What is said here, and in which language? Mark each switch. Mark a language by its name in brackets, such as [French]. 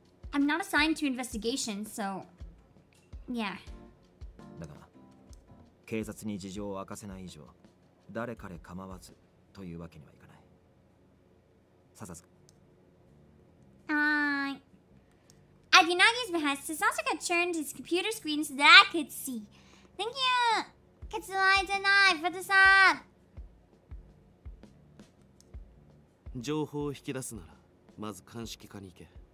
[English] I'm not assigned to investigation, so... Yeah. [Japanese] だが、警察に事情を明かせない以上、誰彼構わずというわけにはいかない。ササスカ。はーい。 [English] At Yunagi's behest, Sasuka turned his computer screen so that I could see. Thank you! ケツワイじゃない、フォトサーブ。 [Japanese] 情報を引き出すなら、まず鑑識課に行け。